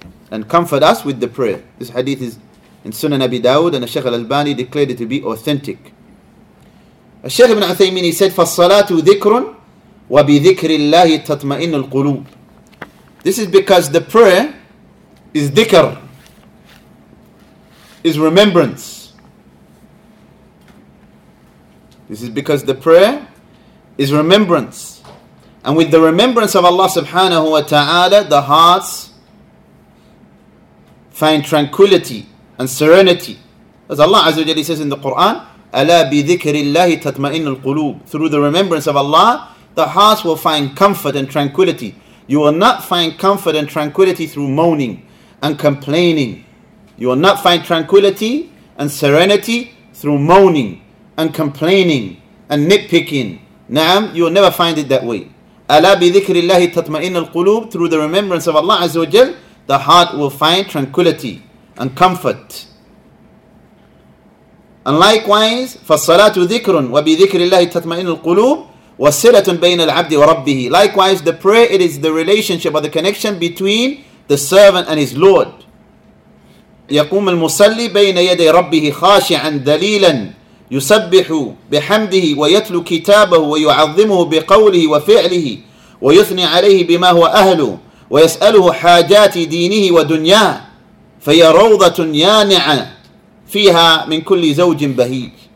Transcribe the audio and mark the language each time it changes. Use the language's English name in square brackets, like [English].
[English] And comfort us with the prayer. This hadith is in Sunan Abi Dawud, and Al-Shaykh al-Albani declared it to be authentic. [Arabic] الشيخ ابن عثيمين [English] said, [Arabic] فالصلاة ذكر وبذكر الله تطمئن القلوب. [English] This is because the prayer is dhikr, is remembrance. This is because the prayer is remembrance. And with the remembrance of Allah subhanahu wa ta'ala, the hearts find tranquility and serenity. As Allah azza wa jalla says in the Quran, [Arabic] أَلَا بِذِكْرِ اللَّهِ تَطْمَئِنُ الْقُلُوبِ. [English] Through the remembrance of Allah, the hearts will find comfort and tranquility. You will not find comfort and tranquility through moaning and complaining. You will not find tranquility and serenity through moaning and complaining and nitpicking. Na'am, you will never find it that way. [Arabic] أَلَا بِذِكْرِ اللَّهِ تَطْمَئِنُ الْقُلُوبِ. [English] Through the remembrance of Allah Azza wa Jal, the heart will find tranquility and comfort. And likewise, [Arabic] فَالصَّلَاةُ ذِكْرٌ وَبِذِكْرِ اللَّهِ تَطْمَئِنُ الْقُلُوبِ وَالصِّلَةٌ بَيْنَ الْعَبْدِ وَرَبِّهِ. [English] Likewise, the prayer, it is the relationship or the connection between the servant and his Lord. [Arabic] يَقُومُ الْمُصَلِّي بَيْنَ يَدَيْ رَبِّهِ خَاشِعًا دَلِيلًا يُسَبِّحُ بِحَمْدِهِ وَيَتْلُو كِتَابَهُ وَيُعَظِّمُهُ بِقَوْلِهِ وَفِعْلِهِ وَيُثْنِي عَلَيْهِ بِمَا هُوَ أَهْلُ وَيَسْأَلُهُ حَاجَاتِ دِينِهِ وَدُنْيَاهُ فَيَا رَوْضَةٌ يَانِعَةٌ فيها من كل زوج بهيج.